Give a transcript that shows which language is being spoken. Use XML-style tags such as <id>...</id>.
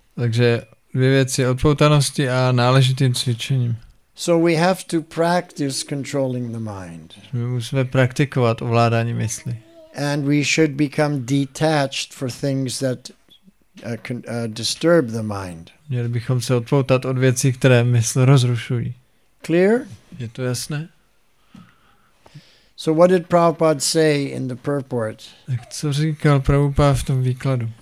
<cs>Takže dvě věci, odpoutanosti a náležitým cvičením.</cs> <en>So we have to practice controlling the mind.</en> <cs>My musíme praktikovat ovládání mysli.</cs> <en>And we should become detached for things that disturb the mind.</en> <cs>Měli bychom se odpoutat od věcí, které mysl rozrušují.</cs> <en>Clear?</en> <cs>Je to jasné?</cs> <en>So what did Prabhupada say in the purport?</en> <cs>Tak co říkal Prabhupada v tom výkladu?</cs>